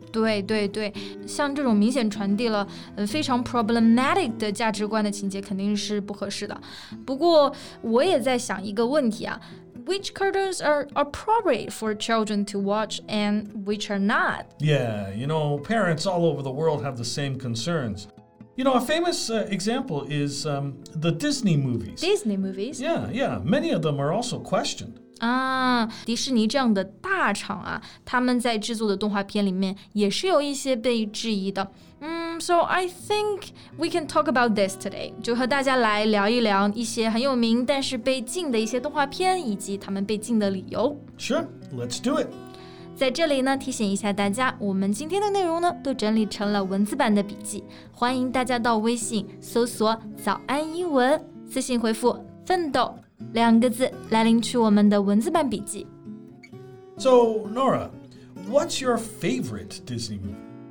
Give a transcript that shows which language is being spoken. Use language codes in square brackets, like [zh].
[zh] 对对对，像这种明显传递了非常 problematic 的价值观的情节肯定是不合适的。不过我也在想一个问题啊， [en] which cartoons are appropriate for children to watch and which are not? Yeah, you know, parents all over the world have the same concerns. You know, a famous example is the Disney movies. Disney movies? Yeah, yeah. Many of them are also questioned. [zh] Ah, 迪士尼这样的大厂啊，他们在制作的动画片里面也是有一些被质疑的。 [en] So I think we can talk about this today. [zh] 就和大家来聊一聊一些很有名但是被禁的一些动画片以及他们被禁的理由。 [en] Sure, let's do it. [zh] 在这里呢提醒一下大家我们今天的内容呢都整理成了文字版的笔记欢迎大家到微信搜索早安英文私信回复奋斗两个字来领取我们的文字版笔记 [en] So Nora, what's your favorite Disney movie?